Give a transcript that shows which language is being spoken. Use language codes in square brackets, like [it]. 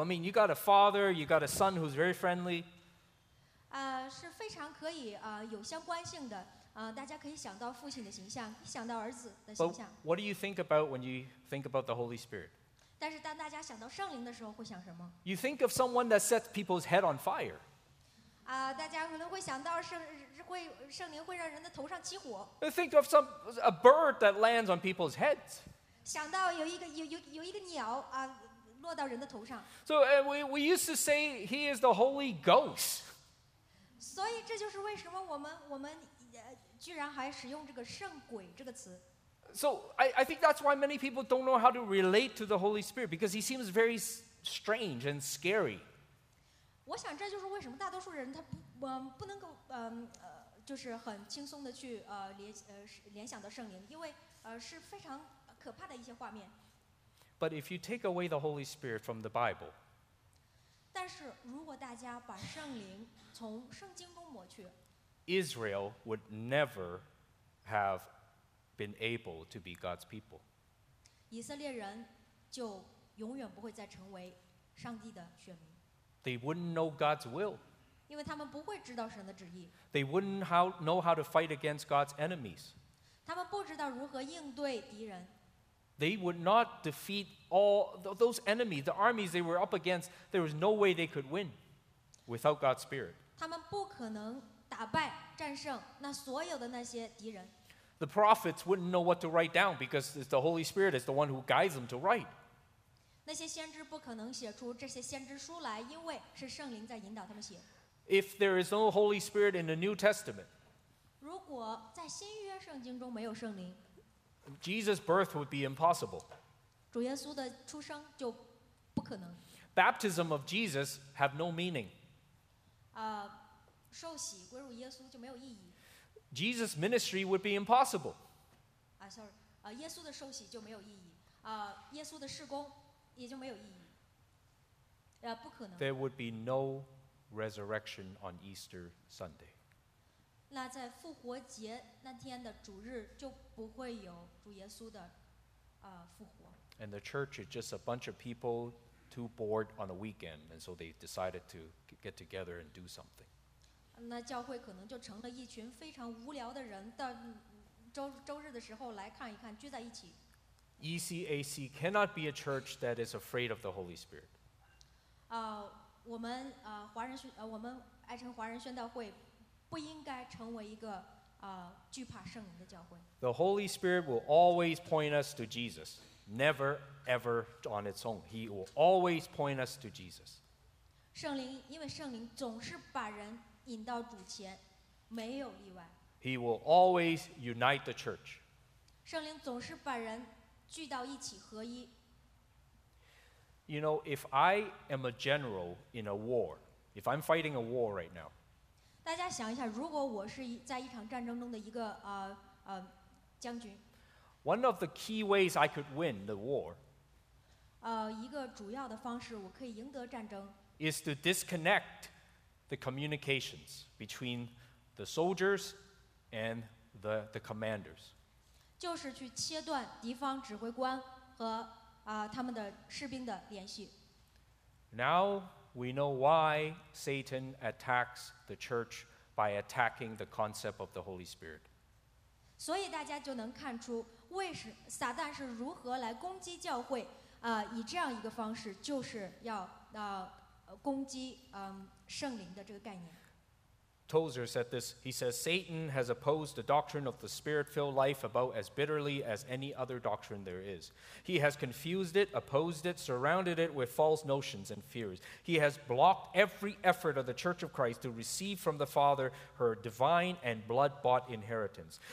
[en] I mean, you got a father, you got a son who's very friendly. [zh] 是非常可以有相关性的。大家可以想到父亲的形象，想到儿子的形象。 [en] But what do you think about when you think about the Holy Spirit? [zh] 但是当大家想到圣灵的时候，会想什么 [en] ？You think of someone that sets people's head on fire. [zh] 大家可能会想到圣灵会让人的头上起火。 [en] You think of a bird that lands on people's heads. [zh] 想到有一个鸟落到人的头上。 [en] So we used to say he is the Holy Ghost. [zh] 所以这就是为什么我们。居然还使用这个圣鬼这个词。 [en] So I think that's why many people don't know how to relate to the Holy Spirit because he seems very strange and scary. [zh] 我想这就是为什么大多数人他不能够就是很轻松的去联想到圣灵，因为是非常可怕的一些画面。 [en] But if you take away the Holy Spirit from the Bible, [zh] 但是如果大家把圣灵从圣经中抹去。 [en] Israel would never have been able to be God's people. [zh] 以色列人就永远不会再成为上帝的选民。 [en] They wouldn't know God's will. [zh] 因为他们不会知道神的旨意。 [en] They wouldn't know how to fight against God's enemies. [zh] 他们不知道如何应对敌人。 [en] They would not defeat all those enemies, the armies they were up against. There was no way they could win without God's spirit. [zh] 他们不可能。打败战胜那所有的那些敌人。 [en] The prophets wouldn't know what to write down because it's the Holy Spirit is the one who guides them to write. [zh] 那些先知不可能写出这些先知书来，因为是圣灵在引导他们写。 [en] If there is no Holy Spirit in the New Testament, [zh] 如果在新约圣经中没有圣灵 [en] ，Jesus' birth would be impossible. [zh] 主耶稣的出生就不可能。 [en] baptism of Jesus have no meaning. [zh] 受洗归入耶稣就没有意义。 [en] Jesus' ministry would be impossible. [zh] 啊 ， [en] sorry， [zh] 啊，耶稣的受洗就没有意义。啊，耶稣的事工也就没有意义。不可能。 [en] There would be no resurrection on Easter Sunday. [zh] 那在复活节那天的主日就不会有主耶稣的复活。 [en] And the church is just a bunch of people too bored on a weekend, and so they decided to get together and do something. [zh] 那教会可能就成了一群非常无聊的人，到周日的时候来看一看，聚在一起。 [en] ECAC cannot be a church that is afraid of the Holy Spirit. [zh] 我们爱城华人宣道会不应该成为一个惧怕圣灵的教会。 [en] The Holy Spirit will always point us to Jesus, never ever on its own. He will always point us to Jesus. [zh] 圣灵，因为圣灵总是把人。引到主前，没有例外。 [en] He will always unite the church. [zh] 圣灵总是把人聚到一起合一。 [en] You know, if I am a general in a war, if I'm fighting a war right now, [zh] 大家想一下，如果我是在一场战争中的一个将军。 [en] One of the key ways I could win the war. [zh] 一个主要的方式我可以赢得战争。 [en] Is to disconnect. The communications between the soldiers and the commanders. [zh] 就是去切断敌方指挥官和他们的士兵的联系。 [en] Now we know why Satan attacks the church by attacking the concept of the Holy Spirit. [zh] 所以大家就能看出为什么撒旦是如何来攻击教会，以这样一个方式，就是要攻击圣灵的这个概念。 [en] Tozer said this. He says Satan has opposed the doctrine of the spirit-filled life about as bitterly as any other doctrine there is. He has confused it, opposed it, surrounded it with false notions and fears. He has blocked every effort of the Church of Christ to receive from the Father her divine and blood-bought inheritance.